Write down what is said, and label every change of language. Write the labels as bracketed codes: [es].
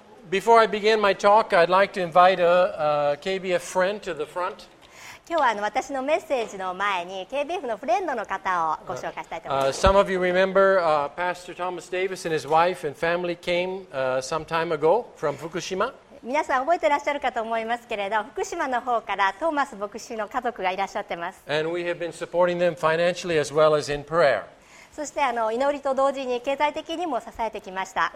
[en] Before I begin my talk, I'd like to invite a KBF friend to the front. [ja] 今日は私のメッセージの前に KBF のフレンドの方をご紹介したいと思います。 [en] Some of you remember Pastor Thomas Davis and his wife and family came some time ago from Fukushima. [ja] 皆さん覚えてらっしゃるかと思いますけれど、福島の方からトーマス牧師の家族がいらっしゃってます。 [en] And we have been supporting them financially as well as in prayer. [ja] そして祈りと同時に経済的にも支えてきました。